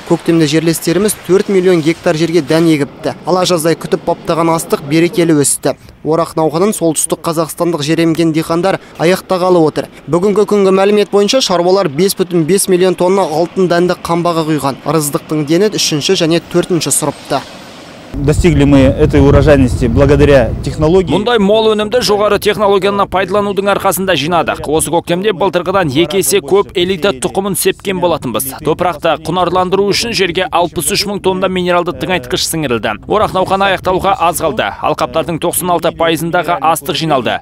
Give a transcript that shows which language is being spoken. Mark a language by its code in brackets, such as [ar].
[kk] Көктемде жерлестеріміз 4 миллион гектар жерге дән егіпті. Ала жаздай күтіп баптаған астық берекелі өсті. Орақ науқанын солтүстік қазақстандық жеремген диқандар аяқтағалы отыр. Бүгінгі күнгі мәлімет бойынша шаруалар 5,5 миллион тонна алтын дәнді қамбаға құйған. Арыздықтың дені 3-ші және 4-ші сұрыпты. [ru] Достигли мы этой урожайности благодаря технологии. [kk] Мұндай мол өнімді жоғары технологияны пайдаланудың арқасында жинадық. Осы көктемде былтырғыдан 2 есе көп элита тұқымын сепкен болатынбыз. Топырақты құнарландыру үшін жерге 63 мың тонна минералды тыңайтқыш сіңірілді. Орақ науқаны аяқталуға аз қалды. Алқаптардың 96%-ындағы астық жиналды.